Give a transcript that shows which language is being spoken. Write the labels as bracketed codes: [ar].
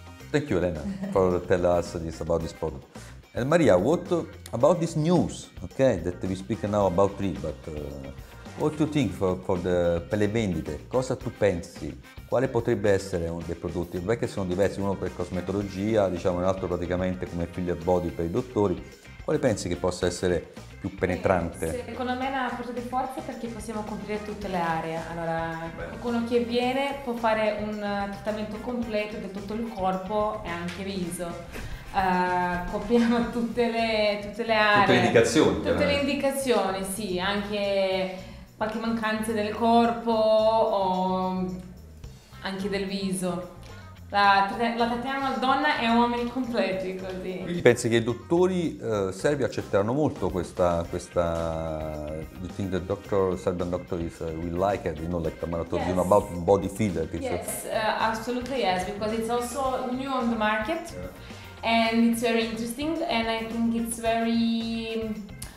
[en] Thank you, Elena, for telling us this about this product. And Maria, what about this news, okay, that we speak now about three, but what do you think for the [it] per le vendite? Cosa tu pensi? Quale potrebbe essere uno dei prodotti? Perché sono diversi, uno per cosmetologia, diciamo un altro praticamente come filler body per i dottori. Quale pensi che possa essere più penetrante? Secondo me è una forza di forza perché possiamo coprire tutte le aree. Allora, qualcuno che viene può fare un trattamento completo di tutto il corpo e anche viso. Copriamo tutte le aree. Tutte le indicazioni. Tutte le indicazioni, sì. Anche qualche mancanza del corpo o... anche del viso. La trattiamo a donna e a uomini completi, così. Quindi pensi che i dottori serbi accetteranno molto questa... [en] You think the doctor, Serbian doctor is, will like it, you know, like the marathon, yes. You know, about body filler? Yes, absolutely yes, because it's also new on the market, yeah. And it's very interesting, and I think it's very...